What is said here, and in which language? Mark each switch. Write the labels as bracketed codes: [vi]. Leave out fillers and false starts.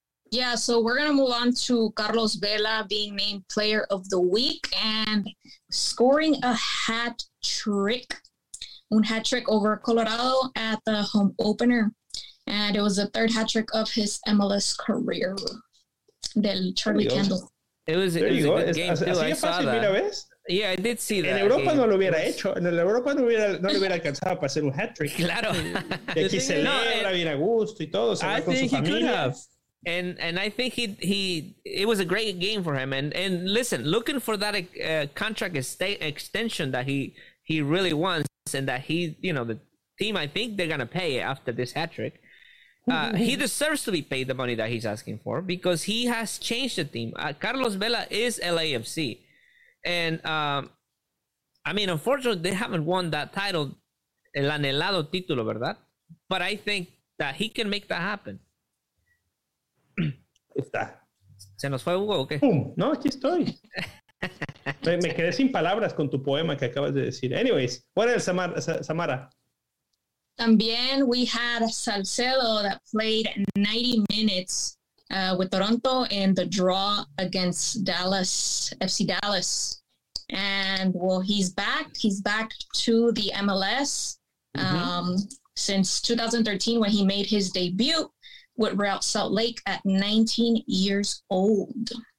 [en] Yeah, so we're going to move on to Carlos Vela being named player of the week and scoring a hat trick. [es] Un [en] hat trick over Colorado at the home opener. And it was the third hat trick of his MLS career. [es] Del Charlie Kendall. [en] It was a good game, too. I saw that. Yeah, I did see that. [es] En Europa no lo hubiera hecho. En Europa no, hubiera, no le hubiera alcanzado para hacer un hat-trick. Claro. Y aquí celebra bien a gusto y todo. [en] I think he could have. And I think he it was a great game for him. And listen, looking for that contract extension that he really wants and that he, you know, the team, I think they're going to pay after this hat-trick. He deserves to be paid the money that he's asking for because he has changed the team. Carlos Vela is LAFC. And, I mean, unfortunately, they haven't won that title, [es] el anhelado título, ¿verdad? [en] But I think that he can make that happen. [es] Está. ¿Se nos fue Hugo o qué? ¡Pum! No, aquí estoy. Me quedé sin palabras con tu poema que acabas de decir. [en] Anyways, what else, Samara? [es] También [en] we had Salcedo that played 90 minutes with Toronto in the draw against Dallas, FC Dallas. And, well, he's back. He's back to the MLS since 2013 when he made his debut with Real Salt Lake at 19 years old.